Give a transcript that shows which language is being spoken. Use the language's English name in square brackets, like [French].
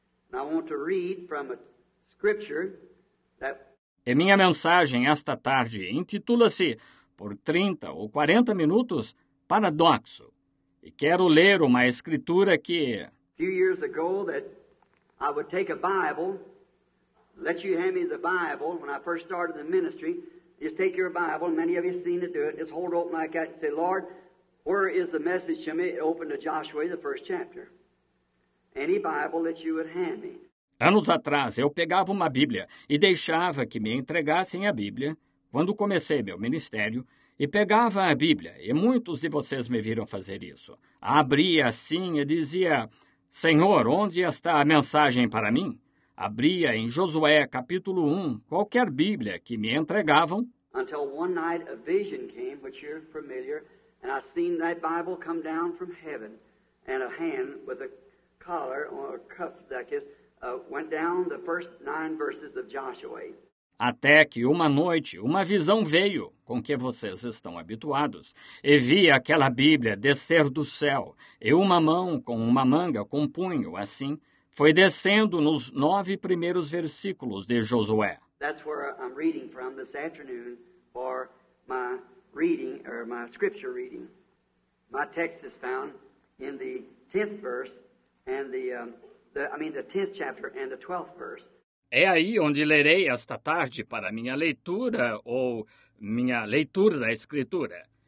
[English] And I want to read from a scripture that... [Portuguese] E minha mensagem esta tarde intitula-se, por 30 ou 40 minutos, Paradoxo. E quero ler uma escritura que... [English] Few years ago that I would take a Bible, let you hand me the Bible when I first started the ministry. Just take your Bible, many of you have seen it do it, just hold it open like that and say, Lord, where is the message to me? It opened to Joshua, the first chapter. Any Bible that you would hand me. [Portuguese] Anos atrás, eu pegava uma Bíblia e deixava que me entregassem a Bíblia, quando comecei meu ministério, e pegava a Bíblia, e muitos de vocês me viram fazer isso. Abria assim e dizia, Senhor, onde está a mensagem para mim? Abria em Josué, capítulo 1, qualquer Bíblia que me entregavam. [English] Until one night a vision came, which you're familiar, and I seen that Bible come down from heaven, and a hand with a collar or a cuff that is... went down the first nine verses of Joshua. [Portuguese] Até que uma noite, uma visão veio, com que vocês estão habituados, e vi aquela Bíblia descer do céu, e uma mão com uma manga, com um punho, assim, foi descendo nos nove primeiros versículos de Josué. [English] That's where I'm reading from this afternoon for my reading, or my scripture reading. My text is found in the 10th verse and the 10th chapter and the 12th verse. [Portuguese] É aí onde lerei esta tarde para minha leitura ou minha leitura da Escritura.